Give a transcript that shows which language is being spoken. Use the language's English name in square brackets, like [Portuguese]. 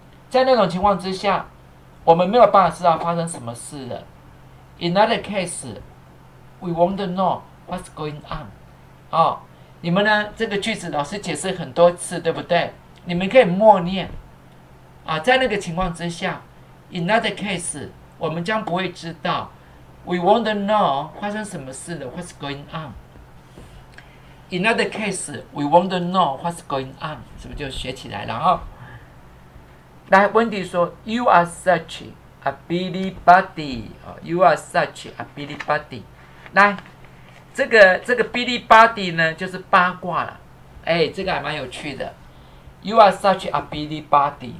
[Chinese] 在那种情况之下，我们没有办法知道发生什么事了。 [English] In that case, we want to know what's going on。 [Chinese] 哦，你们呢？这个句子老师解释很多次，对不对？你们可以默念。啊，在那个情况之下 ， [English] In that case， [Chinese] 我们将不会知道。 [English] We want to know [Chinese] 发生什么事了 [English] ？What's going on？ In other case, we want to know what's going on。 [Chinese] 是不是就学起来了哈、哦？来，温迪说 [English] ：“You are such a busy body。” [Chinese] 哦 ， [English] “You are such a busy body。” [Chinese] 来，这个 busy body 呢，就是八卦了。哎，这个还蛮有趣的。“ [English] You are such a busy body。”